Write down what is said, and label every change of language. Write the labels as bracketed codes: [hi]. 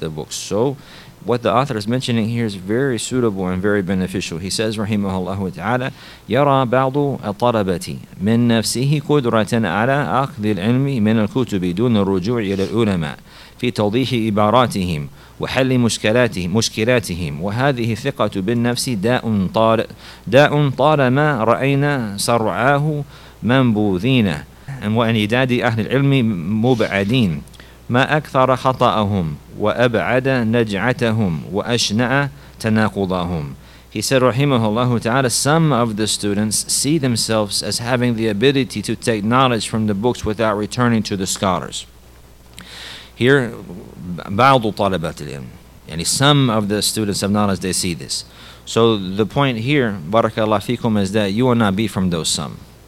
[en] So what the author is mentioning here is very suitable and very beneficial. He says, [ar] rahimahullah ta'ala, yara ba'du al-talabati min nafsihi qudratan ala akhdhi al-ilmi min al-kutubi dun ar-ruju' ila al-ulama في توضيح عباراتهم وحل مشكلاتهم وهذه الثقة بالنفس داء طالما رأينا صرعاه منبوذين وأنداد أهل العلم مبعدين ما أكثر خطأهم وأبعد نجعتهم وأشنع تناقضهم. [en] He said, rahimahullah ta'ala, some of the students see themselves as having the ability to take knowledge from the books without returning to the scholars. Here, [ar] بعض طالبات العلم, يعني [en] some of the students of knowledge, they see this. So the point here, barakallahu fikum, is that you will not be from those some.